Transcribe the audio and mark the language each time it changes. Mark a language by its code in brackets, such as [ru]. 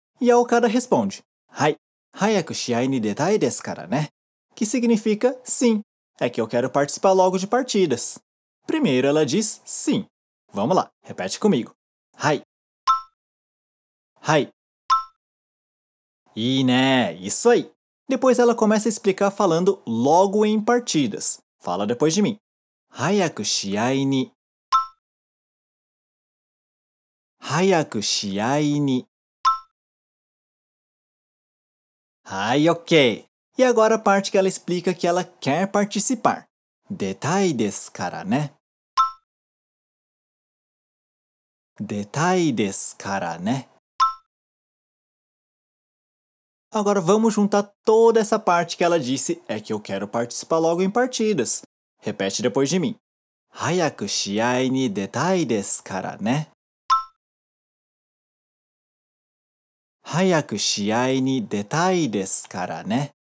[pt] E a Okada responde: [ja] はい、早く試合に出たいですからね。 [pt] Que significa sim. É que eu quero participar logo de partidas. Primeiro ela diz sim. Vamos lá, repete comigo. [ja] はい。はい。いいね、 [pt] isso aí. Depois ela começa a explicar falando logo em partidas. Fala depois de mim. [ja] 早く試合に。早く試合に。はい、OK. [pt] E agora a parte que ela explica que ela quer participar. [ja] 出たいですからね。出たいですからね。 [pt] Agora vamos juntar toda essa parte que ela disse é que eu quero participar logo em partidas. Repete depois de mim. [ja] 早く試合に出たいですからね。早く試合に出たいですからね。